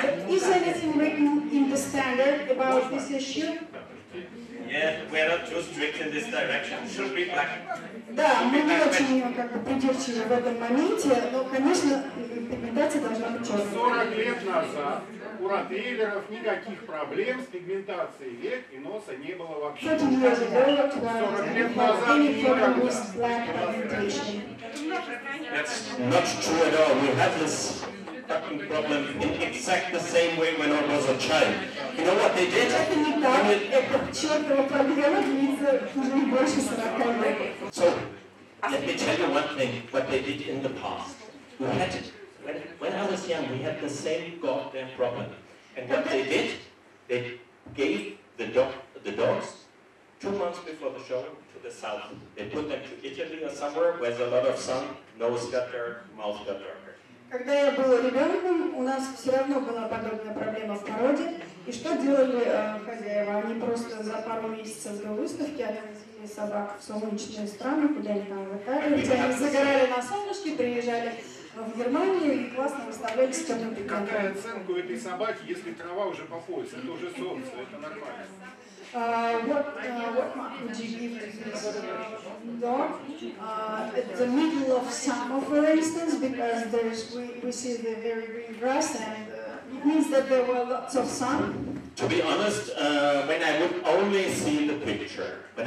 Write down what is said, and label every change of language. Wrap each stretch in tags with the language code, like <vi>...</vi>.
<en>Is anything written in the standard about this issue? Yeah, we are not too strict in this direction. Should be black.</en> <ru>Да, мы не очень как бы придирчивы в этом моменте, но, конечно, пигментация должна быть черной. 40 лет назад у ротвейлеров никаких проблем с пигментацией век и носа не было вообще. 40 лет назад не было проблем с пигментацией век и носа не было.</ru> <en>That's not true at all. We have this fucking problem in exact the same way when I was a child. You know what they did?</en> <ru>Это не так. Это чёртова проблема длится уже больше 40 лет.</ru> <en>So, let me tell you one thing, what they did in the past. We had it. When I was young, we had the same goddamn problem. And what they did, they gave the dogs 2 months before the show to the south. They put them to Italy or somewhere where there's a lot of sun, nose got there, mouth got there.</en> <ru>Когда я был ребенком, у нас все равно была подобная проблема в породе. И что делали хозяева? Они просто за пару месяцев до выставки отвезли собак в солнечные страны, куда они там выкатывались. Они загорали на солнышке, приезжали в Германию и классно выставляли с темным пигментом. Какая оценка у этой собаки, если трава уже по пояс? Это уже солнце, это нормально.</ru> <en>What would you give to this dog? At the middle of summer, for instance, because we see the very green grass, and it means that there were lots of sun. To be honest, when I would only see the picture,</en>